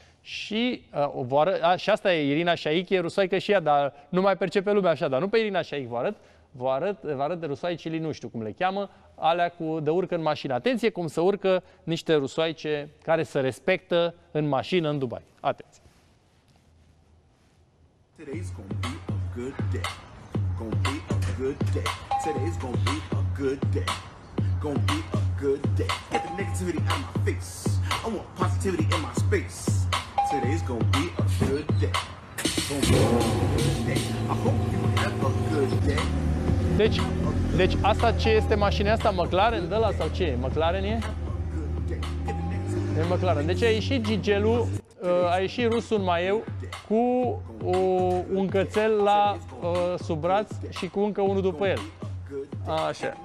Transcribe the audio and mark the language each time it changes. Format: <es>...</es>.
<ro>Și și asta e Irina Shayk, e rusoaică și ea, dar nu mai percepe lumea așa, dar nu pe Irina Shayk vă arăt. Vă arăt de rusoaicilii, nu știu cum le cheamă, alea cu de urcă în mașină. Atenție cum să urcă niște rusoaice care se respectă în mașină în Dubai. Atenție.</ro> <en>Today's gonna be a good day. Gonna be a good day. Today's gonna be a good day. Gonna be a good day. Get the negativity out of my face. I want positivity in my space. Today's gonna be a good day. Gonna be a good day. I hope you have a good day.</en> <ro>Deci asta ce este mașina asta? McLaren de ăla sau ce e? McLaren e? E McLaren. Deci a ieșit Gigelu, a ieșit rusul mai eu cu un cățel la sub braț și cu încă unul după el. Așa.</ro>